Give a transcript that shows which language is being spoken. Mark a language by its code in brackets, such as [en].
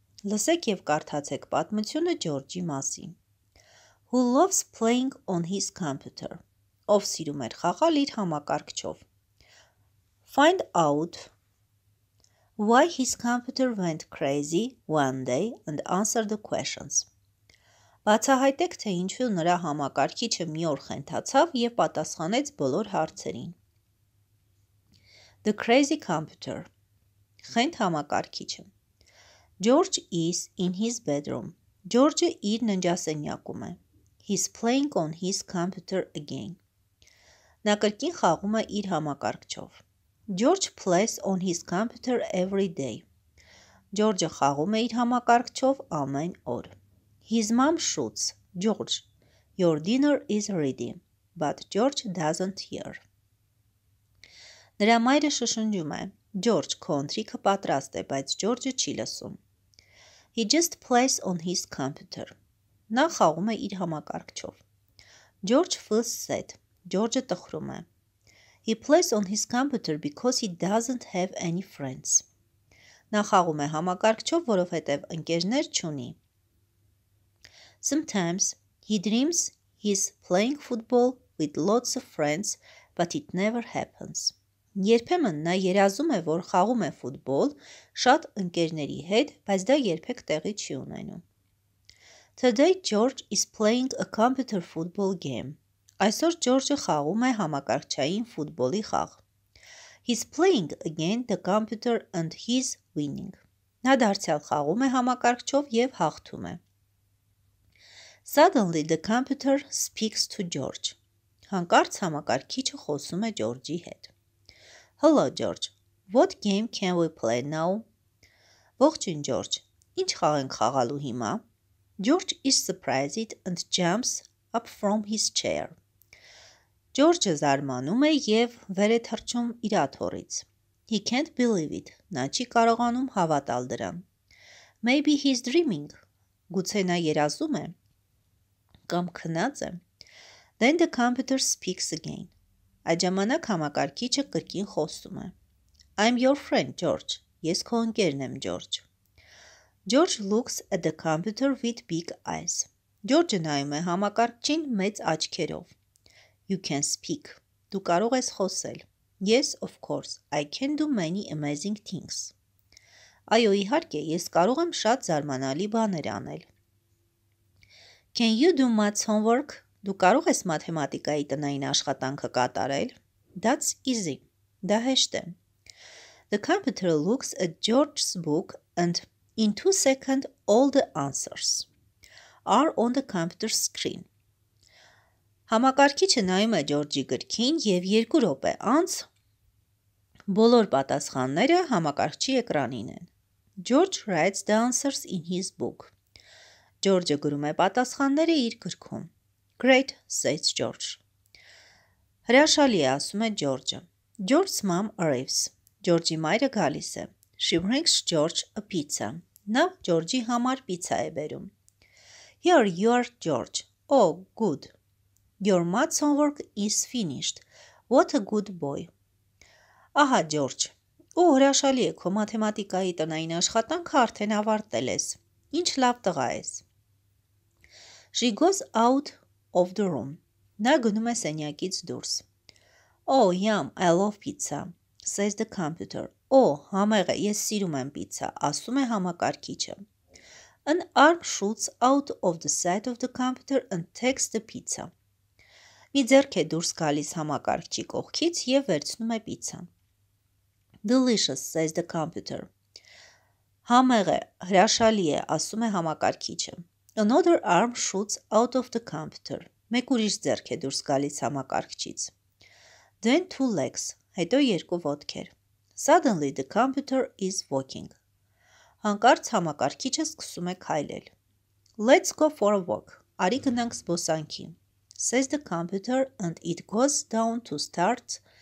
[hy] Լսեք եւ կարդացեք պատմությունը George-ի մասին. [en] Who loves playing on his computer. [hy] Ով սիրում էր խաղալ իր համակարգչով. [en] Find out why his computer went crazy one day and answer the questions. [hy] Բացահայտեք, թե ինչու նրա համակարգիչը մի օր խենթացավ եւ պատասխանեց բոլոր հարցերին. [en] The crazy computer. [hy] Խենթ համակարգիչը. [en] George is in his bedroom. [hy] George-ը իր ննջասենյակում է. [en] He's playing on his computer again. [hy] Նա կրկին խաղում է իր համակարգչով. [en] George plays on his computer every day. [hy] George-ը խաղում է իր համակարգչով ամեն օր. [en] His mom shouts, George, your dinner is ready, but George doesn't hear. [hy] Նրա մայրը շշնջում է. George, քո ընթրիքը պատրաստ է, բայց George-ը չի լսում. [en] He just plays on his computer. [hy] Նա խաղում է իր համակարգչով. [en] George feels sad. [hy] George-ը տխրում է. [en] He plays on his computer because he doesn't have any friends. [hy] Նա խաղում է համակարգչով, որովհետև ընկերներ չունի. [en] Sometimes he dreams he's playing football with lots of friends, but it never happens. [hy] Երբեմն նա երազում է, որ խաղում է ֆուտբոլ շատ ընկերների հետ, բայց դա երբեք տեղի չի ունենում. [en] Today George is playing a computer football game. [hy] Այսօր George-ը խաղում է համակարգչային ֆուտբոլի խաղ. [en] He's playing again the computer and he's winning. [hy] Նա դարձյալ խաղում է համակարգչով եւ հաղթում է. [en] Suddenly the computer speaks to George. [hy] Հանկարծ համակարգիչը խոսում է George-ի հետ. [en] Hello George. What game can we play now? [hy] Ողջույն George. Ինչ խաղ ենք խաղալու հիմա? [en] George is surprised and jumps up from his chair. [hy] George-ը զարմանում է եւ վեր է թռչում իր աթոռից. [en] He can't believe it. [hy] Նա չի կարողանում հավատալ դրան. [en] Maybe he's dreaming. [hy] Գուցե նա երազում է կամ քնած է. [en] Then the computer speaks again. [hy] Այդ ժամանակ համակարգիչը կրկին խոսում է. [en] I'm your friend, George. [hy] Ես քո ընկերն եմ, George. [en] George looks at the computer with big eyes. [hy] George-ը նայում է համակարգչին մեծ աչքերով. [en] You can speak. [hy] Դու կարող ես խոսել. [en] Yes, of course. I can do many amazing things. [hy] Այո, իհարկե, ես կարող եմ շատ զարմանալի բաներ անել. [en] Can you do maths homework? [hy] Դու կարող ես մաթեմատիկայի տնային աշխատանքը կատարել? [en] That's easy. [hy] Դա հեշտ է. [en] The computer looks at George's book and in 2 seconds all the answers are on the computer screen. [hy] Համակարգիչը նայում է George-ի գրքին եւ 2 րոպե անց բոլոր պատասխանները համակարգչի էկրանին են. [en] George writes the answers in his book. [hy] George-ը գրում է պատասխանները իր գրքում. [en] Great, says George. [hy] Հրաշալի է, ասում է George-ը. [en] George's mom arrives. [hy] George-ի մայրը գալիս է. [en] She brings George a pizza. [hy] Նա George-ի համար պիցա է բերում. [en] Here you are, George. Oh, good. Your maths homework is finished. What a good boy. [hy] Ահա, George. Ու հրաշալի է, քո մաթեմատիկայի տնային աշխատանքը արդեն ավարտել ես. Ինչ լավ տղա ես. [en] She goes out of the room. [hy] Նա գնում է սենյակից դուրս. [en] Oh, yum, I love pizza, says the computer. [hy] Oh, համեղ է, ես սիրում եմ պիցա, ասում է համակարգիչը. [en] An arm shoots out of the side of the computer and takes the pizza. [hy] Մի ձեռք է դուրս գալիս համակարգչի կողքից եւ վերցնում է պիցան. [en] Delicious, says the computer. [hy] Համեղ է, հրաշալի է, ասում է համակարգիչը. [en] Another arm shoots out of the computer. [hy] Մեկ ուրիշ ձեռք է դուրս գալիս համակարգչից. [en] Then 2 legs, [hy] հետո 2 ոտքեր. [en] Suddenly the computer is walking. [hy] Հանկարծ համակարգիչը սկսում է քայլել. [en] Let's go for a walk. [hy] Արի գնանք զբոսանքի. [en] Says the computer and it goes down to start.